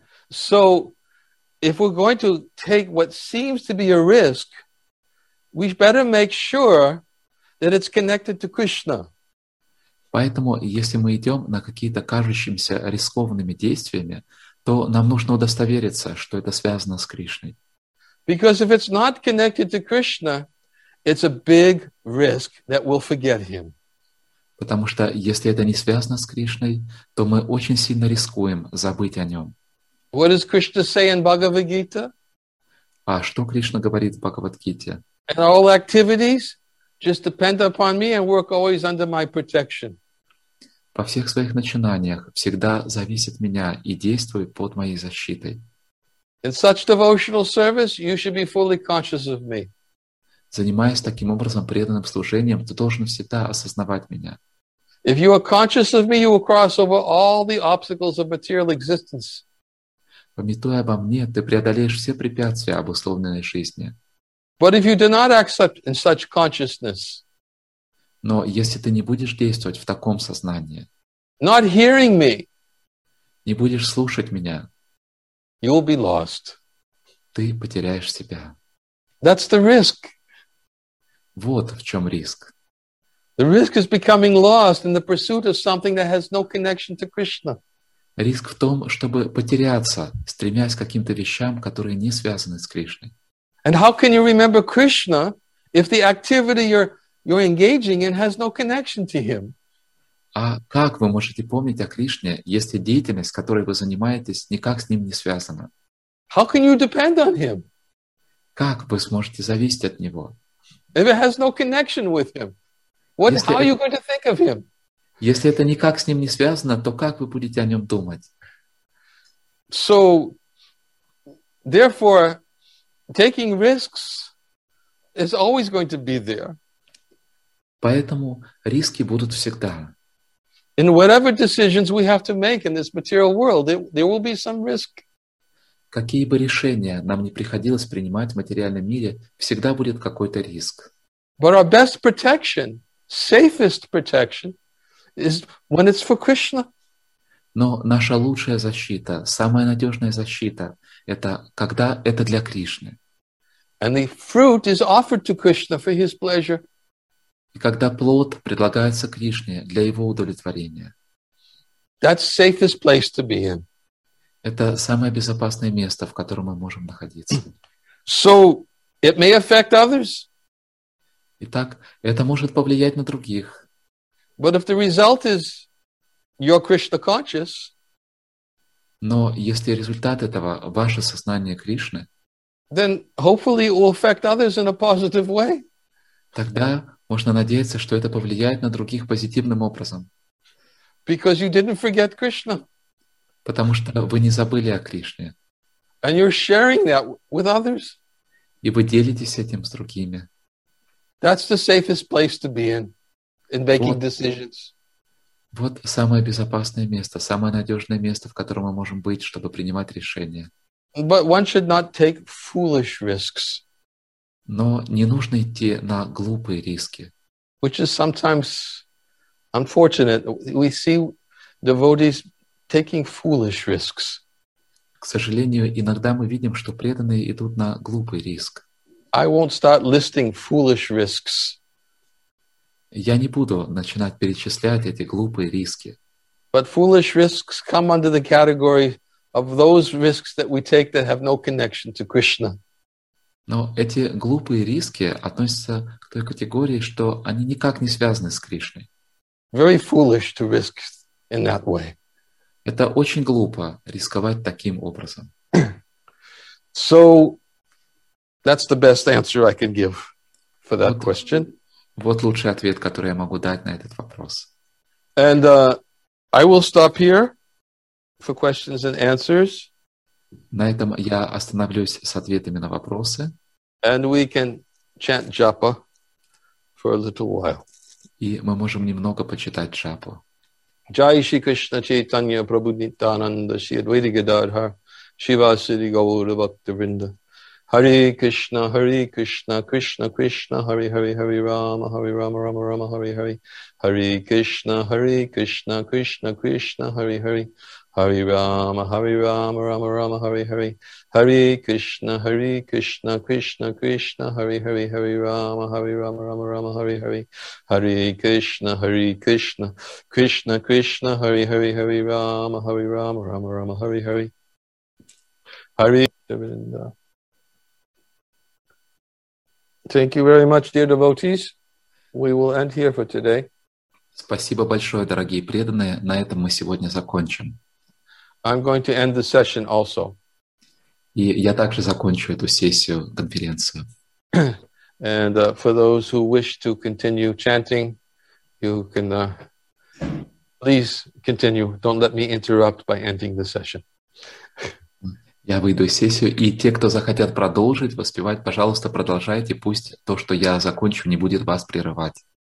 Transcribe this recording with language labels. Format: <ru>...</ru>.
<en>So if we're going to take what seems to be a risk, we better make sure that it's connected to Krishna.</en> <ru>Поэтому, если мы идем на какие-то кажущимися рискованными действиями, то нам нужно удостовериться, что это связано с Кришной.</ru> <en>Because if it's not connected to Krishna, it's a big risk that we'll forget him.</en> <ru>Потому что если это не связано с Кришной, то мы очень сильно рискуем забыть о нем.</ru> <en>What does Krishna say in Bhagavad Gita?</en> <ru>А что Кришна говорит в Бхагавад-гите?</ru> <en>And all activities just depend upon me and work always under my protection.</en> <ru>Во всех своих начинаниях всегда зависит меня и действуй под моей защитой.</ru> <en>In such devotional service, you should be fully conscious of me.</en> <ru>Занимаясь таким образом преданным служением, ты должен всегда осознавать меня.</ru> <en>If you are conscious of me, you will cross over all the obstacles of material existence.</en> <ru>Помятуя обо мне, ты преодолеешь все препятствия обусловленной жизни.</ru> <en>But if you do not accept in such consciousness,</en> <ru>но если ты не будешь действовать в таком сознании,</ru> <en>not hearing me,</en> <ru>не будешь слушать меня,</ru> <en>you will be lost.</en> <ru>Ты потеряешь себя.</ru> <en>That's the risk.</en> <ru>Вот в чем риск.</ru> <en>The risk is becoming lost in the pursuit of something that has no connection to Krishna.</en> <ru>Риск в том, чтобы потеряться, стремясь к каким-то вещам, которые не связаны с Кришной.</ru> <en>And how can you remember Krishna if the activity you're engaging in has no connection to him?</en> <ru>А как вы можете помнить о Кришне, если деятельность, которой вы занимаетесь, никак с ним не связана?</ru> <en>How can you depend on him?</en> <ru>Как вы сможете зависеть от него?</ru> <en>If it has no connection with him, what, how are you going to think of him?</en> <ru>Если это никак с ним не связано, то как вы будете о нем думать?</ru> <en>So, therefore, taking risks is always going to be there.</en> <ru>Поэтому риски будут всегда.</ru> <en>In whatever decisions we have to make in this material world, there will be some risk.</en> <ru>Какие бы решения нам ни приходилось принимать в материальном мире, всегда будет какой-то риск.</ru> <en>But our best protection, safest protection, is when it's for Krishna.</en> <ru>Но наша лучшая защита, самая надежная защита, это когда это для Кришны.</ru> <en>And the fruit is offered to Krishna for his pleasure.</en> <ru>И когда плод предлагается Кришне для его удовлетворения.</ru> <en>That's safest place to be in.</en> <ru>Это самое безопасное место, в котором мы можем находиться.</ru> <en>So, it may affect others.</en> <ru>Итак, это может повлиять на других.</ru> <en>But if the result is you're Krishna conscious,</en> <ru>но если результат этого – ваше сознание Кришны,</ru> <en>then hopefully it will affect others in a positive way.</en> <ru>Тогда можно надеяться, что это повлияет на других позитивным образом.</ru> <en>Because you didn't forget Krishna.</en> <ru>Потому что вы не забыли о Кришне.</ru> <en>And you're sharing that with others.</en> <ru>И вы делитесь этим с другими.</ru> <en>That's the safest place to be in making decisions.</en> <ru>Вот самое безопасное место, самое надежное место, в котором мы можем быть, чтобы принимать решения.</ru> <en>But one should not take foolish risks.</en> <ru>Но не нужно идти на глупые риски.</ru> <en>Which is sometimes unfortunate. We see devotees taking foolish risks.</en> <ru>К сожалению, иногда мы видим, что преданные идут на глупый риск.</ru> <en>I won't start listing foolish risks.</en> <ru>Я не буду начинать перечислять эти глупые риски.</ru> <en>But foolish risks come under the category of those risks that we take that have no connection to Krishna.</en> <ru>Но эти глупые риски относятся к той категории, что они никак не связаны с Кришной.</ru> <en>Very foolish to risk in that way.</en> <ru>Это очень глупо рисковать таким образом.</ru> <en>So that's the best answer I can give for that question.</en> <ru>Вот лучший ответ, который я могу дать на этот вопрос.</ru> <en>And I will stop here for questions and answers.</en> <ru>На этом я остановлюсь с ответами на вопросы.</ru> <en>And we can chant japa for a little while.</en> <ru>И мы можем немного почитать джапу.</ru> <sa>Jai Shri Krishna Chaitanya Prabhu Nityananda Shri Advaita Gadadhar Shiva Siddhi Gaura Bhakta Vrinda Hare Krishna Hare Krishna Krishna Krishna Hare Hare Hare Rama Hare Rama Rama Rama Hare Hare Hare Krishna Hare Krishna Krishna Krishna Hare Hare Hare Rama, Hare Rama, Rama Rama, Hare Hare. Hare Krishna, Krishna Krishna, Hare Hare, Hare Rama, Hare Rama, Rama Rama, Hare Hare. Hare Krishna, Krishna Krishna, Hare Hare, Hare Rama, Hare Rama, Rama Rama, Hare Hare. Hare.</sa> <en>Thank you very much, dear devotees. We will end here for today.</en> <ru>Спасибо большое, дорогие преданные. На этом мы сегодня закончим.</ru> <en>I'm going to end the session also.</en> <ru>И я также закончу эту сессию, конференцию.</ru> <en>And for those who wish to continue chanting, you can please continue. Don't let me interrupt by ending the session.</en> <ru>Я выйду из сессии, и те, кто захотят продолжить воспевать, пожалуйста, продолжайте, пусть то, что я закончу, не будет вас прерывать.</ru>